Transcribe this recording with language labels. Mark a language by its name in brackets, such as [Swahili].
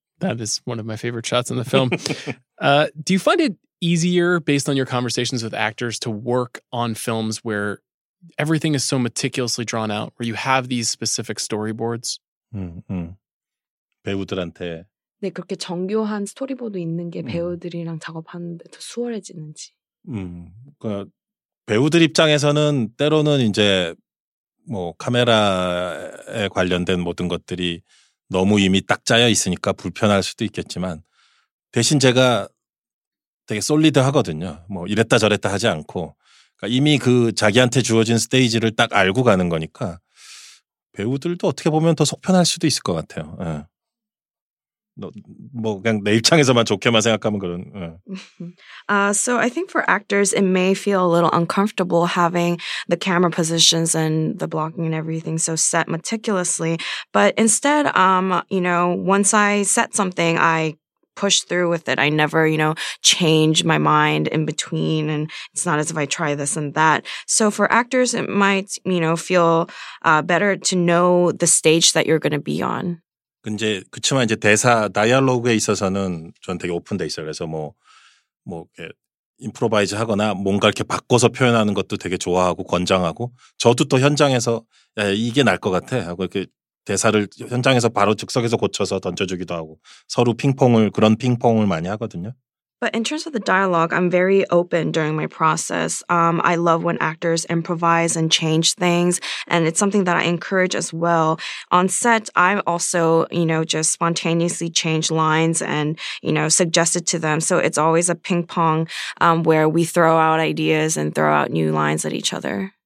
[English] That is one of my favorite shots in the film. Do you find it easier, based on your conversations with actors, to work on films where everything is so meticulously drawn out, where you have these specific storyboards. [Korean] 배우들한테. 네, 그렇게 정교한 스토리보드 있는 게 배우들이랑 작업하는데 더 수월해지는지. 그러니까 배우들 입장에서는 때로는 이제 뭐 카메라에 관련된 모든 것들이 너무 이미 딱 짜여 있으니까 불편할 수도 있겠지만 대신 제가 되게 솔리드하거든요. 뭐 이랬다 저랬다 하지 않고 그러니까 이미 그 자기한테 주어진 스테이지를 딱 알고 가는 거니까 배우들도 어떻게 보면 더 속편할 수도 있을 것 같아요. 예. 뭐 그냥 내 입장에서만 좋게만 생각하면 그런. 예. [English] So I think for actors, it may feel a little uncomfortable having the camera positions and the blocking and everything so set meticulously. But instead, you know, once I set something, I push through with it. I never, you know, change my mind in between, and it's not as if I try this and that. So for actors, it might, you know, feel better to know the stage that you're going to be on. [Korean] 근데 그치만 이제 대사 다이얼로그에 있어서는 전 되게 오픈돼 있어요. 그래서 임프로바이즈하거나 뭔가 이렇게 바꿔서 표현하는 것도 되게 좋아하고 권장하고 저도 또 현장에서 야, 이게 날 것 같아 하고 이렇게 대사를 현장에서 바로 즉석에서 고쳐서 던져주기도 하고 서로 그런 핑퐁을 많이 하거든요. [English] But in terms of the dialogue, I'm very open during my process. I love when actors improvise and change things, and it's something that I encourage as well. On set, I also, you know, just spontaneously change lines and, you know, suggest it to them. So it's always a ping pong where we throw out ideas and throw out new lines at each other.